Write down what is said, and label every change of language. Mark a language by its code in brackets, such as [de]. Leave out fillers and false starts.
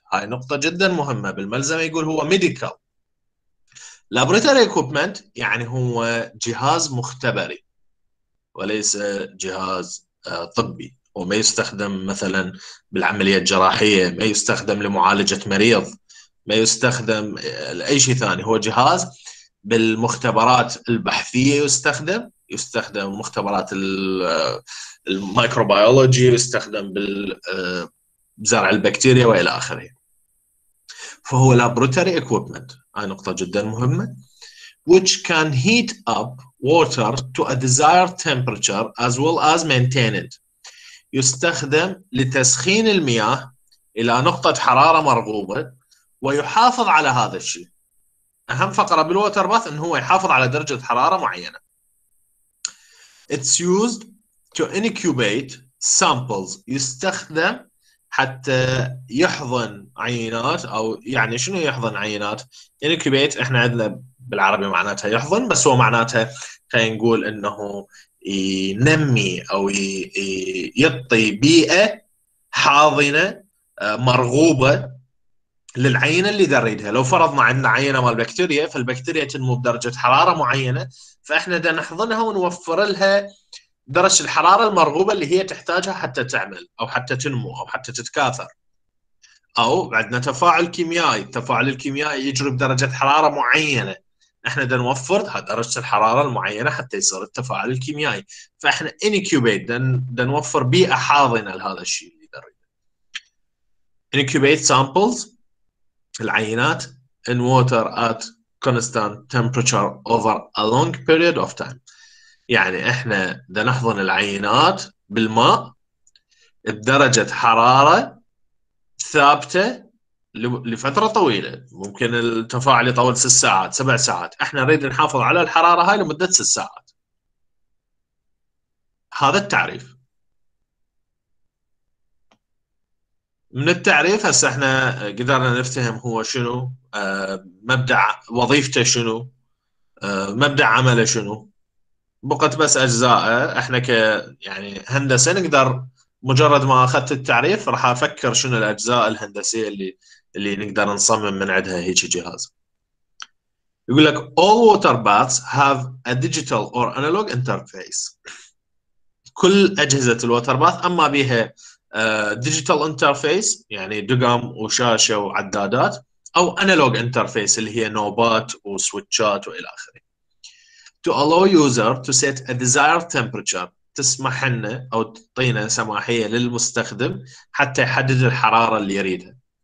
[ar] هاي نقطة جدا مهمة بالملزمة، يقول هو [en] medical laboratory equipment, [ar] يعني هو جهاز مختبري وليس جهاز طبي، وما يستخدم مثلا بالعملية الجراحية، ما يستخدم لمعالجة مريض، ما يستخدم لأي شيء ثاني. هو جهاز بالمختبرات البحثية يستخدم مختبرات الميكروبيولوجي، يستخدم بزرع البكتيريا وإلى آخره. [en] فهو laboratory equipment، [ar] هاي نقطة جدا مهمة، [en] which can heat up water to a desired temperature as well as maintain it. [ar] يستخدم لتسخين المياه إلى نقطة حرارة مرغوبة ويحافظ على هذا الشيء. أهم فقرة بالووتر باث أنه هو يحافظ على درجة حرارة معينة. [en] It's used to incubate samples. [ar] يستخدم حتى يحضن عينات، أو يعني شنو يحضن عينات؟ incubate إحنا عندنا بالعربي معناتها يحضن، بس هو معناتها خلينا نقول انه ينمي او يعطي بيئة حاضنة مرغوبة للعينة اللي دا نريدها. لو فرضنا عندنا عينة مال البكتيريا، فالبكتيريا تنمو بدرجة حرارة معينة، فاحنا دا نحضنها ونوفر لها درجة الحرارة المرغوبة اللي هي تحتاجها حتى تعمل او حتى تنمو او حتى تتكاثر. او عندنا تفاعل كيميائي، التفاعل الكيميائي يجري بدرجة حرارة معينة، احنا دا نوفر درجة الحرارة المعينة حتى يصير التفاعل الكيميائي. فاحنا انكيوبيت، دا نوفر بيئة حاضنة لهذا الشيء اللي نريده. [en] Incubate samples, العينات، in water at constant temperature over a long period of time. [ar] يعني احنا دا نحضن العينات بالماء بدرجة حرارة ثابتة لفترة طويلة، ممكن التفاعل يطول 6 ساعات 7 ساعات، احنا نريد نحافظ على الحرارة هاي لمدة 6 ساعات. هذا التعريف. من التعريف هسه احنا قدرنا نفهم هو شنو، مبدأ وظيفته شنو، مبدأ عمله شنو. بقت بس اجزاء احنا ك يعني هندسة نقدر مجرد ما اخذت التعريف راح افكر شنو الاجزاء الهندسية اللي نقدر نصمم من عندها هيك جهاز. يقول لك [en] all water baths have a digital or analog interface. [ar] كل اجهزة الووتر باث اما بها ديجيتال انترفيس يعني دقم وشاشه وعدادات، او انالوج انترفيس اللي هي نوبات وسويتشات والى اخره. [en] To allow user to set a desired temperature، [ar] تسمح لنا او تعطينا سماحيه للمستخدم حتى يحدد الحراره اللي يريدها.